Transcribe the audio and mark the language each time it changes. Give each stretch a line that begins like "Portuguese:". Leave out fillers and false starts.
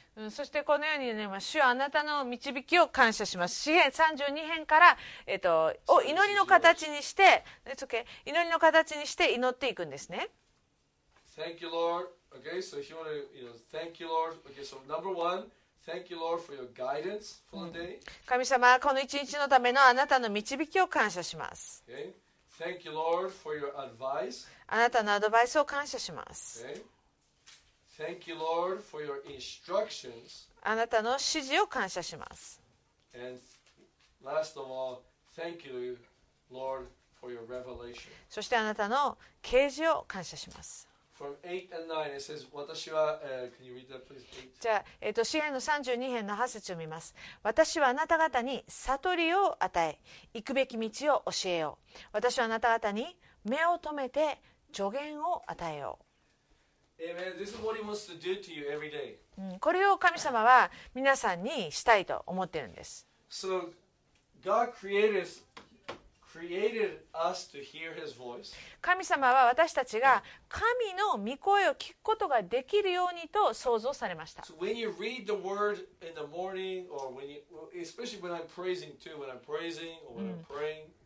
Japanese: そしてこのように言うのは、主はあなたの導きを感謝します。詩編32編から、を祈りの形にして、祈りの形にして祈っていくんですね。
English: Thank you Lord. Okay, so if you want to, you know, thank you Lord. Okay, so number oneThank you, Lord, for your guidance for the day.
Japanese: 神様、この一日のためのあなたの導きを感謝します。
English: Okay. Thank you, Lord, for your advice.
Japanese: あなたのアドバイスを感謝します。
English: Okay. Thank you, Lord, for your instructions.
Japanese: あなたの指示を感謝します。
English: And last of all, thank you, Lord, for your revelation.
Japanese: そしてあなたの啓示を感謝します。
English: From 8 and 9, it says, 私は、can you read that, please, please?
Japanese: じゃあ、詩編の32編の8節を見ます。私はあなた方に悟りを与え、行くべき道を教えよう。私はあなた方に目を留めて助言を与えよう。
English: Amen. This is what he wants to do to you every day.
Japanese: これを神様は皆さんにしたいと思っているんです。
English: So, God created us. Created us to hear his voice.
Japanese: 神様は私たちが神の御声を聞くことができるようにと創造されました。
English: So when you read the word in the morning, or when you, especially when I'm praising too, when I'm praising or when I'm praying.